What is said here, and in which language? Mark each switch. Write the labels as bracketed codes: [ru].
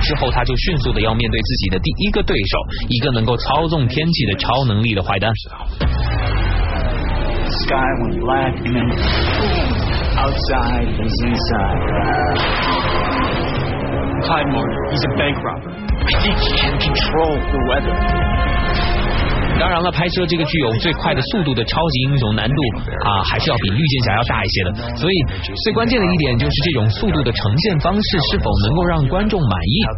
[zh] 之后他就迅速地要面对自己的第一个对手，一个能够操纵天气的超能力的坏蛋。 [en] Sky went black and then outside is inside. Clyde Morgan, he's a bank robber. I think he can control the weather. [zh] 当然了，拍摄这个具有最快的速度的超级英雄难度啊，还是要比绿箭侠要大一些的。所以最关键的一点就是这种速度的呈现方式是否能够让观众满意。